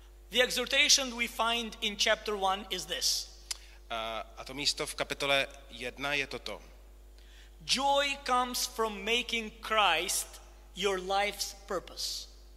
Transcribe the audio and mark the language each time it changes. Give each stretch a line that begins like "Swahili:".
English: The exhortation we find in chapter 1 is this.
Czech: A to místo v kapitole 1 je toto.
English: Joy comes from making Christ your life's purpose.